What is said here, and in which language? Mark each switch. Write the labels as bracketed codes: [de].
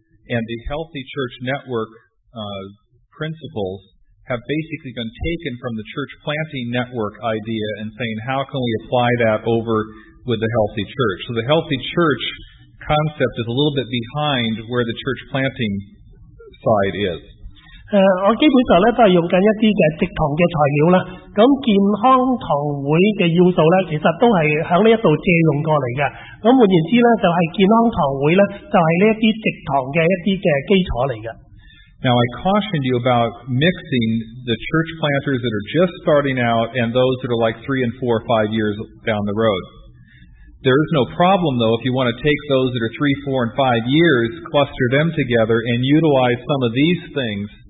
[en] And the healthy church network principles have basically been taken from the church planting network idea and saying, how can we apply that over with the healthy church? So the healthy church concept is a little bit behind where the church planting side is. [zh] 我基本上都是用一些直堂的材料，健康堂会的要素其实都是在这里借用过来的。换言之，就是健康堂会就是这些直堂的一些基础来的。 [en] Now I cautioned you about mixing the church planters that are just starting out and those that are like 3, 4, or 5 years down the road. There is no problem though if you want to take those that are 3, 4, and 5 years, cluster them together and utilize some of these things.